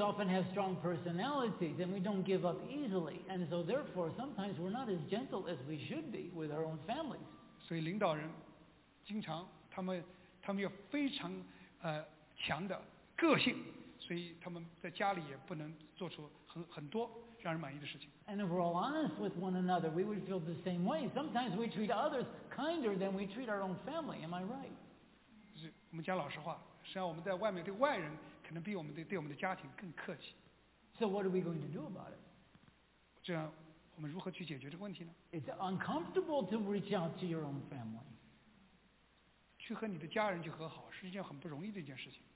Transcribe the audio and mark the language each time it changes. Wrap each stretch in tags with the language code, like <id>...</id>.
<en>often have strong personalities, and we don't give up easily, and so therefore sometimes we're not as gentle as we should be with our own families.</en> <zh>所以领导人经常他们有非常强的个性。所以他们在家里也不能做出很多让人满意的事情。</zh> <en>And if we're all honest with one another, we would feel the same way. Sometimes we treat others kinder than we treat our own family. Am I right?</en> <zh>我们讲老实话，实际上我们在外面对外人，可能比我们对我们的家庭更客气。</zh> <en>So what are we going to do about it?</en> <zh>这样我们如何去解决这个问题呢？</zh> <en>It's uncomfortable to reach out to your own family.</en> <zh>去和你的家人去和好，是一件很不容易的一件事情。</zh>